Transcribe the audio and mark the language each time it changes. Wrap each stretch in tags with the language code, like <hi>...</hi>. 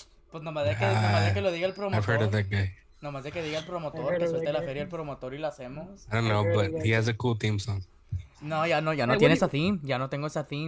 <es>Pues nomás de que lo diga el promotor.</es> <en>I've heard of that guy.</en> <es>Nomás de que diga el promotor, que suelte la feria el promotor y la hacemos.</es> <en>I don't know, but he has a cool theme song.</en> <es>No, ya no, ya no tiene esa theme. Ya no tengo esa theme.</es>